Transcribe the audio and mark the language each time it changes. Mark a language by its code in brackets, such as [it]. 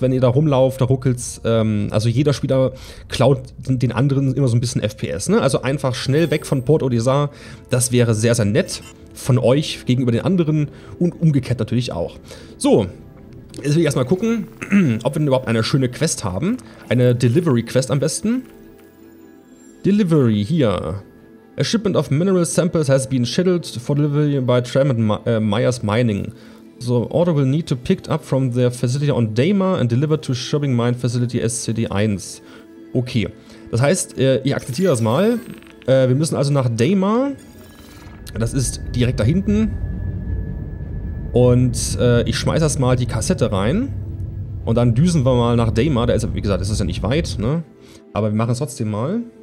[de] Wenn ihr da rumlauft, da ruckelt's. Also jeder Spieler klaut den anderen immer so ein bisschen FPS. Ne? Also einfach schnell weg von Port Olisar. Das wäre sehr, sehr nett von euch gegenüber den anderen. Und umgekehrt natürlich auch. So, jetzt will ich erstmal gucken, ob wir denn überhaupt eine schöne Quest haben. Eine Delivery-Quest am besten. Delivery, hier. [en] A shipment of mineral samples has been scheduled for delivery by Tremont Myers Mining. The order will need to be picked up from their facility on Daymar and delivered to Shipping Mine Facility SCD-1. [de] Okay, das heißt, ich akzeptiere das mal. Wir müssen also nach Daymar. Das ist direkt da hinten. Und ich schmeiße erstmal die Kassette rein. Und dann düsen wir mal nach Daymar. Der ist, wie gesagt, das ist ja nicht weit, ne? Aber wir machen es trotzdem mal.